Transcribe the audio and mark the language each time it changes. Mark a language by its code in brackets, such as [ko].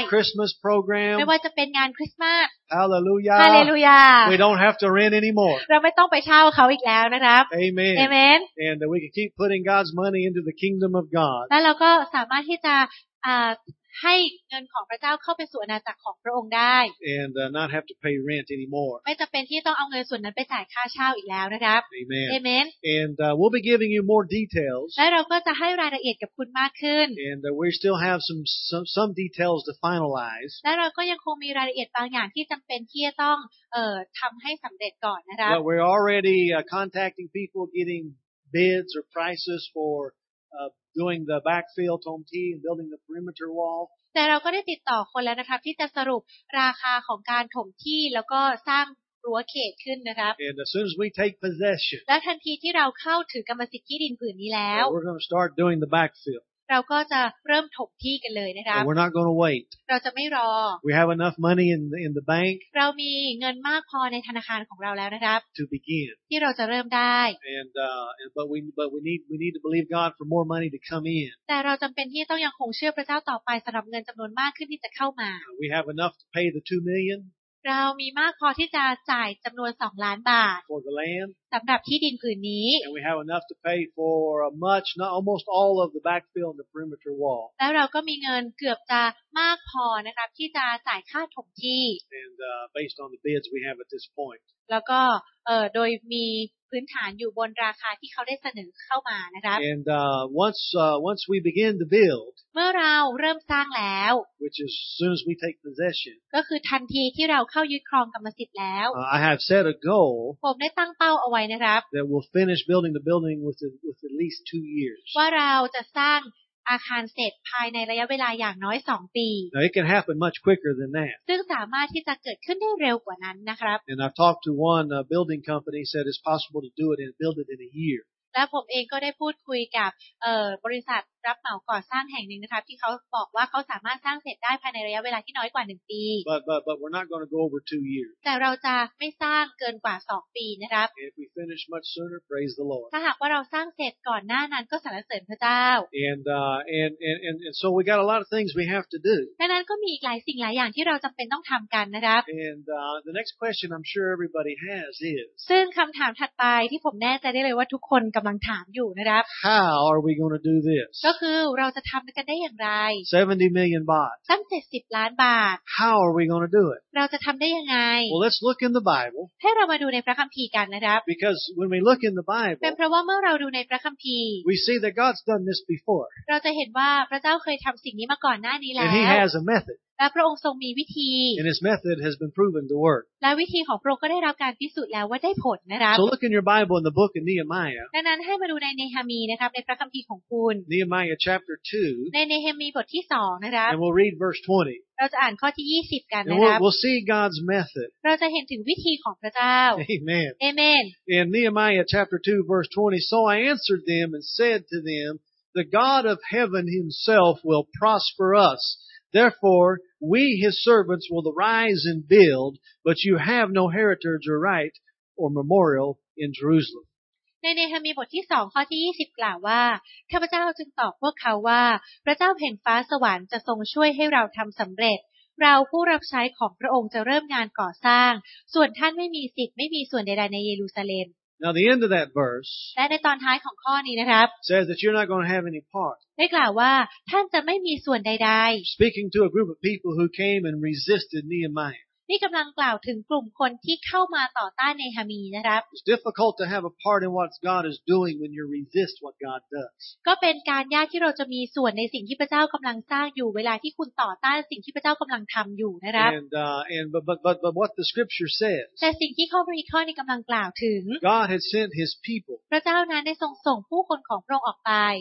[en] Our Christmas program [th] ไม่ว่าจะเป็นงานคริสต์มาส [en] Hallelujah Hallelujah We don't have to rent anymore [th] เราไม่ต้องไปเช่าเขาอีกแล้วนะครับ [en] Amen Amen And that we can keep putting God's money into the kingdom of God [th] แล้วเราก็สามารถที่จะให้เงินของพระเจ้าเข้าไปสู่อาณาจักรของพระองค์ได้ [en] And not have to pay rent anymore [th] ไม่จำเป็นที่ต้องเอาเงินส่วนนั้นไปจ่ายค่าเช่าอีกแล้วนะครับ [en] Amen Amen And we'll be giving you more details [th] และเราก็จะให้รายละเอียดกับคุณมากขึ้น [en] And we still have some details to finalize [th] และเราก็ยังคงมีรายละเอียดบางอย่างที่จำเป็นที่จะต้องทำให้สำเร็จก่อนนะครับ [en] But we're already contacting people getting bids or prices forfor doing the backfill home tea and building the perimeter wall [th] แต่เราก็ได้ติดต่อคนแล้วนะครับที่จะสรุปราคาของการถมที่แล้วก็สร้างรั้วเขตขึ้นนะครับ [en] And as soon as we take possession [th] และทันทีที่เราเข้าถือกรรมสิทธิ์ที่ดินผืนนี้แล้ว [en] We're going to start doing the backfill [th] เราก็จะเริ่มถมที่กันเลยนะครับ [en] And we're not going to wait [th] เราจะไม่รอ [en] We have enough money in the bank [th] เรามีเงินมากพอในธนาคารของเราแล้วนะครับ [en] to begin [th] ที่เราจะเริ่มได้ [en] and but we need to believe God for more money to come in [th] แต่เราจําเป็นที่ต้องยังคงเชื่อพระเจ้าต่อไปสําหรับเงินจํานวนมากขึ้นที่จะเข้ามา [en] we have enough to pay the 2 million [th] เรามีมากพอที่จะจ่ายจํานวน2ล้านบาท [en] for the land [th] สําหรับที่ดินผืนนี้ [en] and we have enough to pay for much not almost all of the backfill and the perimeter wall [th] แล้วเราก็มีเงินเกือบจะมากพอนะครับที่จะจ่ายค่าถมที่ [en] and based on the bids we have at this point [th] แล้วก็โดยมีพื้นฐานอยู่บนราคาที่เขาได้เสนอเข้ามานะครับ [en] And once we begin to build [th] เมื่อเราเริ่มสร้างแล้ว [en] which is soon as we take possession [th] ก็คือทันทีที่เราเข้ายึดครองกรรมสิทธิ์แล้ว [en] I have set a goal [th] ผมได้ตั้งเป้าเอาไว้นะครับ [en] that we'll finish building the building with at least 2 years [th] ว่าเราจะสร้างอาคารเสร็จภายในระยะเวลาอย่างน้อย2ปี [en] Now, it can happen much quicker than that [th] ซึ่งสามารถที่จะเกิดขึ้นได้เร็วกว่านั้นนะครับ [en] And I've talked to one building company said it's possible to do it and build it in a year [th] และผมเองก็ได้พูดคุยกับบริษัทรับเหมาก่อสร้างแห่งหนึ่งนะครับที่เขาบอกว่าเขาสามารถสร้างเสร็จได้ภายในระยะเวลาที่น้อยกว่า1ปี [en] But we're not going to go over 2 years [th] แต่เราจะไม่สร้างเกินกว่า2ปีนะครับ [en] If we finish much sooner praise the Lord [th] ถ้าหากว่าเราสร้างเสร็จก่อนหน้านั้นก็สรรเสริญพระเจ้า [en] And so we got a lot of things we have to do [th] ดังนั้นก็มีอีกหลายสิ่งหลายอย่างที่เราจําเป็นต้องทํากันนะครับ [en] And the next question I'm sure everybody has is [th] ซึ่งคําถามถัดไปที่ผมแน่ใจได้เลยว่าทุกคน ำลังถามอยู่นะครับ [en] How are we going to do this? [th] ก็คือเราจะทำกันได้อย่างไร [en] 70 million baht [th] ตั้ง70ล้านบาท [en] How are we going to do it? [th] เราจะทำได้ยังไง [en] Well, let's look in the Bible. [th] ให้เรามาดูในพระคัมภีร์กันนะครับ [en] Because when we look in the Bible, [th] เป็นเพราะว่าเมื่อเราดูในพระคัมภีร์ [en] We see that God's done this before. [th] เราจะเห็นว่าพระเจ้าเคยทำสิ่งนี้มาก่อนหน้านี้แล้ว [en] And he has a method. [th] และพระองค์ทรงมีวิธี [en] And his method has been proven to work. [th] และวิธีของพระองค์ก็ได้รับการพิสูจน์แล้วว่าได้ผลนะครับ [en] So look in your Bible in the book of Nehemiah. [th] ดังนั้นให้มาดูในเนหะมีนะครับในพระคัมภีร์ของคุณ [en] Nehemiah chapter 2. [th] ในเนหะมีบทที่2นะครับ [en] And we'll read verse 20. [th] เราจะอ่านข้อที่20กันนะครับ [en] And we'll see God's method. [th] เราจะเห็นถึงวิธีของพระเจ้า [en] Amen. Amen. In Nehemiah chapter 2 verse 20, so I answered them and said to them, "The God of heaven himself will prosper us." Therefore, we, his servants, will arise and build, but you have no heritage or right or memorial in Jerusalem. [th] ในเนหะมีบทที่2ข้อที่20กล่าวว่าข้าพเจ้าจึงตอบพวกเขาว่าพระเจ้าแห่งฟ้าสวรรค์จะทรงช่วยให้เราทำสำเร็จเราผู้รับใช้ของพระองค์จะเริ่มงานก่อสร้างส่วนท่านไม่มีสิทธิ์ไม่มีส่วนใดๆในเยรูซาเล็ม [en] Now the end of that verse. [th] และในตอนท้ายของข้อนี้นะครับ [en] says that you're not going to have any part. [th] ได้กล่าวว่าท่านจะไม่มีส่วนใดๆ [en] Speaking to a group of people who came and resisted Nehemiah. [th] นี่กำลังกล่าวถึงกลุ่มคนที่เข้ามาต่อต้านเนหะมีนะครับ [en] It's difficult to have a part in what God is doing when you resist what God does. [th] ก็เป็นการยากที่เราจะมีส่วนในสิ่งที่พระเจ้ากำลังสร้างอยู่เวลาที่คุณต่อต้านสิ่งที่พระเจ้ากำลังทำอยู่นะครับ [en] And what the scripture says. [th] แต่สิ่งที่ข้อพระคัมภีร์นี้กำลังกล่าวถึง [en] God had sent His people. [th] พระเจ้านั้นได้ทรงส่งผู้คนของพระองค์ออกไป